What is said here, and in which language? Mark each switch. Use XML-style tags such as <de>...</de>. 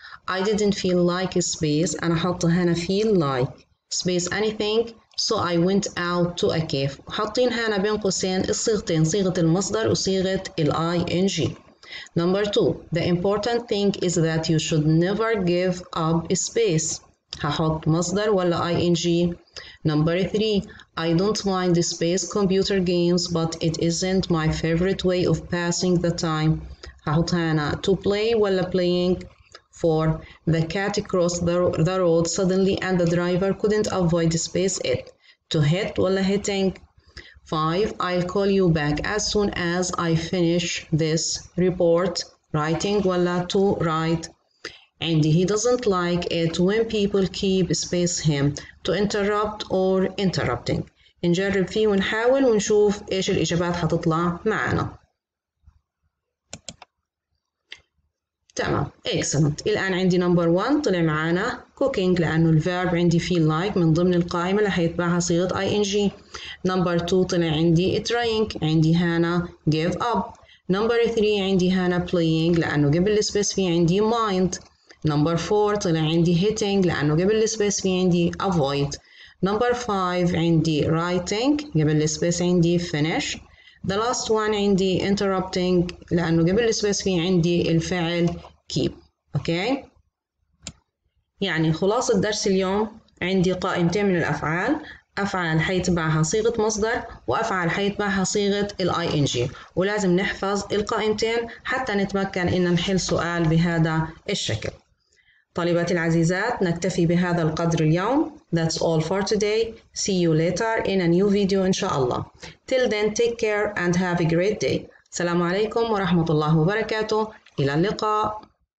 <en>I didn't feel like space.</en> <ar>أنا حط هنا feel like space anything.</ar> <en>So I went out to a cafe.</en> <ar>حاطين هنا بين قوسين الصيغتين، صيغة المصدر وصيغة الـ ING.</ar> <en>Number two, the important thing is that you should never give up space.</en> <ar>هحط مصدر ولا ING.</ar> <en>Number three, I don't mind space computer games, but it isn't my favorite way of passing the time.</en> <ar>هحط هنا to play ولا playing.</ar> <en>Four, the cat crossed the road suddenly and the driver couldn't avoid space it. To hit ولا hitting. Five, I'll call you back as soon as I finish this report. Writing ولا to write. And he doesn't like it when people keep space him. To interrupt or interrupting.</en> <ar>نجرب فيه ونحاول ونشوف ايش الاجابات هتطلع معنا. تمام، excellent. الآن عندي number one طلع معانا cooking لأنه الverb عندي feel like من ضمن القائمة اللي هيتبعها صيغة ing.</ar> <en>Number two طلع عندي trying، عندي هنا give up.</en> <ar>Number three عندي هنا playing لأنه قبل space في عندي mind. Number four طلع عندي hitting لأنه قبل space في عندي avoid.</ar> <en>Number five عندي writing، قبل space عندي finish.</en> <ar>The last one عندي interrupting لأنه قبل السبيس في عندي الفعل keep.</ar> <en>Okay.</en> <ar>يعني خلاصة درس اليوم عندي قائمتين من الأفعال، أفعال حيتبعها صيغة مصدر وأفعال حيتبعها صيغة الـ ING، ولازم نحفظ القائمتين حتى نتمكن إن نحل سؤال بهذا الشكل. طالباتي العزيزات نكتفي بهذا القدر اليوم.</ar> <en>That's all for today. See you later in a new video</en> <ar>إن شاء الله.</ar> <en>Till then, take care and have a great day.</en> <ar>السلام عليكم ورحمة الله وبركاته. إلى اللقاء.</ar>